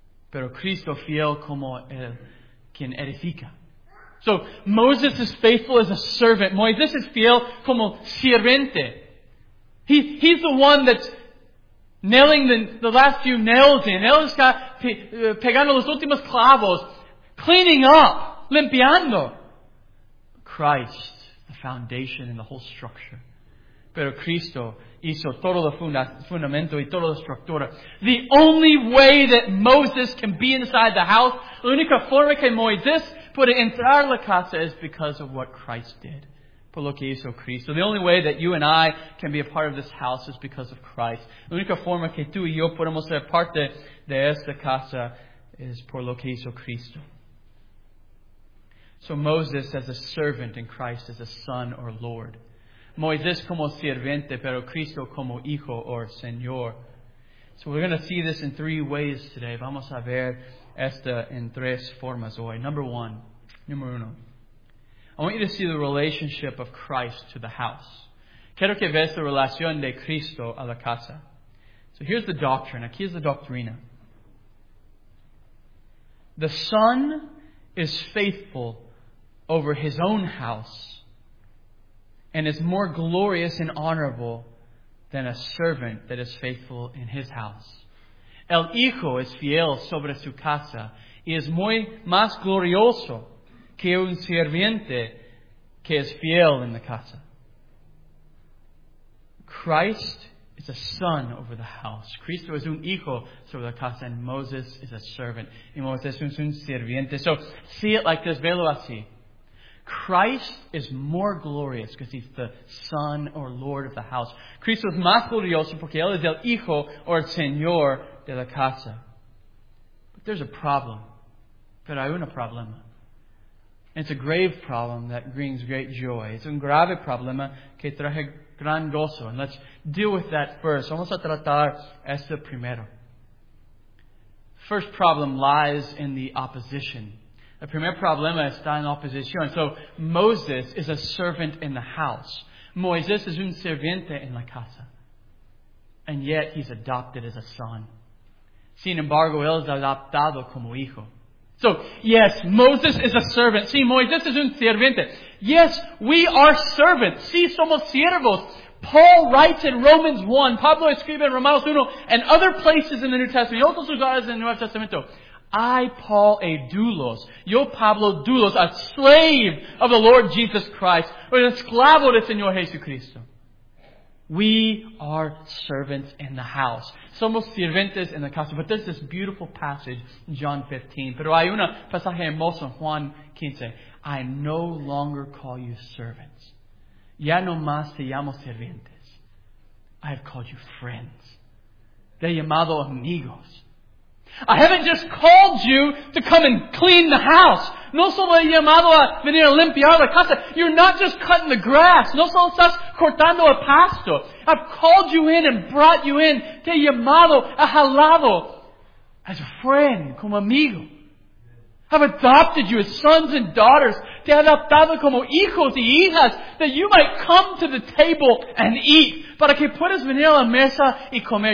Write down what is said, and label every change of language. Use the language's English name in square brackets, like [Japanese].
[Spanish] Pero Cristo fiel como el quien edifica. [English] So Moses is faithful as a servant. [Spanish] Moisés is fiel como sirviente. [English] He's the one that's nailing the last few nails in. [Spanish] Él está pegando los últimos clavos. [English] Cleaning up. [Spanish] Limpiando. [English] Christ, the foundation and the whole structure. [Spanish] Pero Cristo hizo todo el fundamento y toda la estructura. [English] The only way that Moses can be inside the house, [Spanish] la única forma que Moisés puede entrar la casa es [English] because of what Christ did. [Spanish] Por lo que hizo Cristo. [English] The only way that you and I can be a part of this house is because of Christ. [Spanish] La única forma que tú y yo podemos ser parte de esta casa es por lo que hizo Cristo. [English] So Moses as a servant and Christ as a son or Lord. [Spanish] Moisés como sirviente, pero Cristo como hijo or señor. [English] So we're going to see this in three ways today. [Spanish] Vamos a ver esta en tres formas hoy. Número uno. [English] I want you to see the relationship of Christ to the house. [Spanish] Quiero que veas la relación de Cristo a la casa. [English] So here's the doctrine. [Spanish] Aquí es la doctrina. [English] The son is faithful over his own house and is more glorious and honorable than a servant that is faithful in his house. [Spanish] El hijo es fiel sobre su casa y es muy más glorioso que un sirviente que es fiel en la casa. [English] Christ is a son over the house. [Spanish] Cristo es un hijo sobre la casa [English] and Moses is a servant. [Spanish] Y Moses es un sirviente. [English] So, see it like this, [Spanish] velo así. [English] Christ is more glorious because he's the son or lord of the house. [Spanish] Cristo es más glorioso porque él es el hijo or señor de la casa. [English] But there's a problem. [Spanish] Pero hay un problema. [English] It's a grave problem that brings great joy. It's [Spanish] un grave problema que traje gran gozo. [English] And let's deal with that first. [Spanish] Vamos a tratar este primero. [English] First problem lies in the opposition. [Spanish] El primer problema está en oposición. [English] So, Moses is a servant in the house. [Spanish] Moisés es un sirviente en la casa. [English] And yet, he's adopted as a son. [Spanish] Sin embargo, él es adoptado como hijo. [English] So, yes, Moses is a servant. [Spanish] Sí, Moisés es un sirviente. [English] Yes, we are servants. [Spanish] Sí, somos siervos. [English] Paul writes in Romans 1, [Spanish] Pablo escribe en Romanos 1, [English] and other places in the New Testament, [Spanish] y otros lugares en el Nuevo Testamento. [English] I, Paul, a doulos. [Spanish] Yo, Pablo, doulos, [English] a slave of the Lord Jesus Christ. [Spanish] Un esclavo del Señor Jesucristo. [English] We are servants in the house. [Spanish] Somos sirvientes en la casa. [English] But there's this beautiful passage in John 15. [Spanish] Pero hay un pasaje hermoso en Juan 15. [English] I no longer call you servants. [Spanish] Ya no más te llamo sirvientes. [English] I have called you friends. [Spanish] Te he llamado amigos. [English] I haven't just called you to come and clean the house. [Spanish] No solo he llamado a venir a limpiar la casa. [English] You're not just cutting the grass. [Spanish] No solo estás cortando el pasto. [English] I've called you in and brought you in. [Spanish] Te he llamado a jalado [English] as a friend, [Spanish] como amigo. [English] I've adopted you as sons and daughters. [Spanish] Te he adoptado como hijos y hijas. [English] That you might come to the table and eat. [Spanish] Para que puedas venir a la mesa y comer.